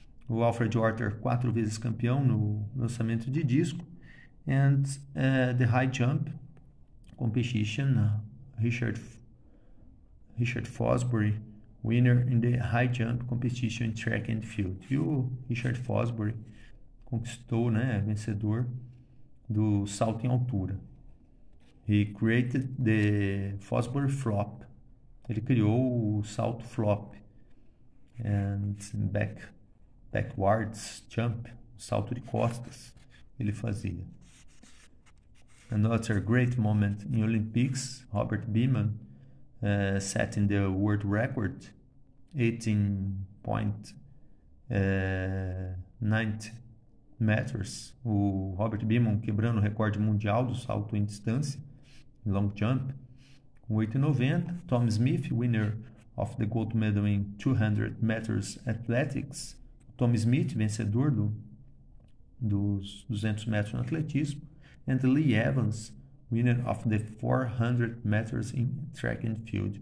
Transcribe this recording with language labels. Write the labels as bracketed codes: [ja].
[pt] O Alfred Arthur, quatro vezes campeão no lançamento de disco. [en] And the high jump competition, Richard Fosbury, winner in the high jump competition in track and field. [pt] E o Richard Fosbury conquistou, né, vencedor do salto em altura. [en] He created the Fosbury flop. [pt] Ele criou o salto flop [en] and backwards jump, [pt] salto de costas, ele fazia. [en] Another great moment in Olympics, Robert Beamon set in the world record 18.9 meters. [pt] O Robert Beamon quebrando o recorde mundial do salto em distância, long jump, com 8,90. [en] Tom Smith, winner of the gold medal in 200 meters athletics. [pt] Tom Smith, vencedor dos 200 metros no atletismo. [en] And Lee Evans, winner of the 400 meters in track and field.